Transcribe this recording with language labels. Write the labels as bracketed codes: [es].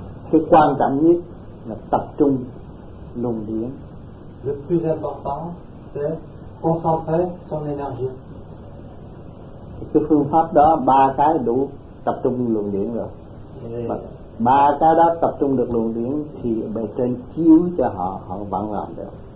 [vi] Cái quan trọng nhất là tập trung luồng điển. [fr] Le plus important, c'est concentrer son énergie. [vi] Cái phương pháp đó, ba cái đủ tập trung luồng điện rồi. [fr] Et [vi] ba cái đó tập trung được luồng điển thì bề trên chiếu cho họ, họ vẫn làm được.